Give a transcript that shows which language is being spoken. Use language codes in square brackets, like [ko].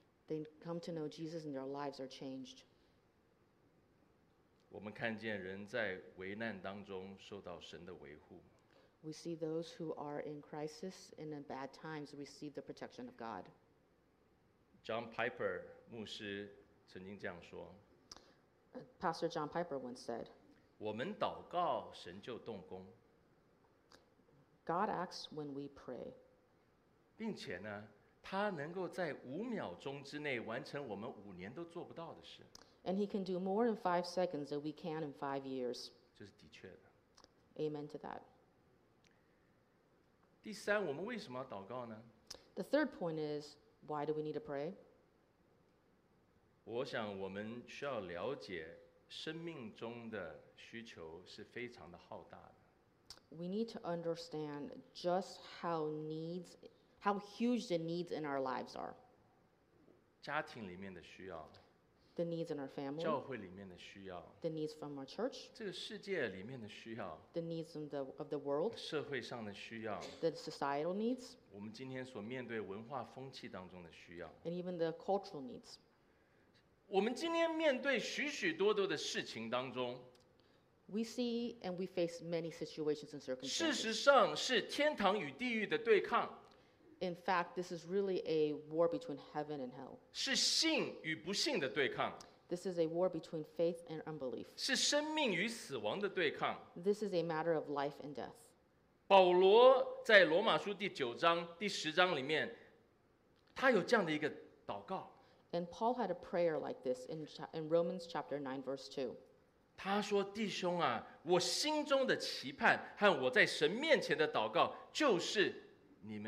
[en] They come to know Jesus and their lives are changed. [zh] 我们看见人在危难当中受到神的维护。 [en] We see those who are in crisis and in bad times receive the protection of God. [zh] John Piper 牧师曾经这样说。 [en] Pastor John Piper once said, [zh] 我们祷告，神就动工。 [en] God acts when we pray. [zh] 并且呢，他能够在五秒钟之内完成我们五年都做不到的事。 [en] And he can do more in 5 seconds than we can in 5 years. [zh] 这是的确的。 [en] Amen to that. [zh] 第三，我们为什么要祷告呢？ [en] The third point is, why do we need to pray? [zh] 我想我们需要了解生命中的需求是非常的浩大的。 [en] We need to understand just how huge the needs in our lives are. [zh] 家庭里面的需要。 [en] The needs in our family. [zh] 教会里面的需要。 [en] The needs from our church. [zh] 这个世界里面的需要。 [en] The needs of the world. [zh] 社会上的需要。 [en] The societal needs. [zh] 我们今天所面对文化风气当中的需要。 [en] And even the cultural needs. [zh] 我们今天面对许许多多的事情当中。 [en] We see and we face many situations and circumstances. [zh] 事实上是天堂与地狱的对抗。 [en] In fact, this is really a war between heaven and hell. [zh] 是信与不信的对抗。 [en] This is a war between faith and unbelief. [zh] 是生命与死亡的对抗。 [en] This is a matter of life and death. [zh] 保罗在罗马书第九章、第十章里面，他有这样的一个祷告。 [en] And Paul had a prayer like this in Romans chapter 9, verse 2. [zh] 他说：“弟兄啊，我心中的期盼和我在神面前的祷告就是。”